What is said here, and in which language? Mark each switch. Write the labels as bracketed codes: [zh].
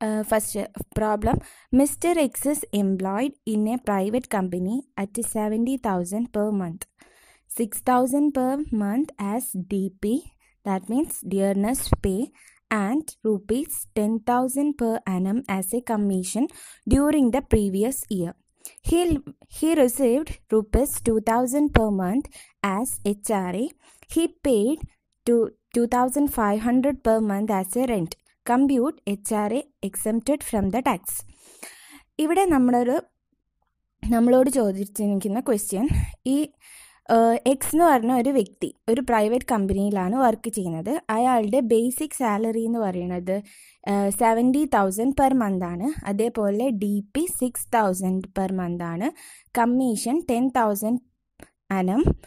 [en] First problem, mister X is employed in a private company at 70,000 per month. 6,000 per month as DP, that means dearness pay, and rupees 10,000 per annum as a commission during the previous year. He received rupees 2,000 per month as HRA. He paid to 2,500 per month as a rent. Compute HRA exempted from the tax. [ml] ഇവിടെ നമ്മളോട് ചോദിച്ചിരിക്കുന്ന question, ഈ X എന്ന് പറഞ്ഞ ഒരു വ്യക്തി ഒരു private കമ്പനിയിലാണ് work ചെയ്യുന്നത്. അയാളുടെ ബേസിക് സാലറി എന്ന് പറയുന്നത് 70,000 [en] per month [ml] ആണ്. അതേപോലെ ഡി പി 6,000 [en] per month [ml] ആണ്. കമ്മീഷൻ 10,000 അനം.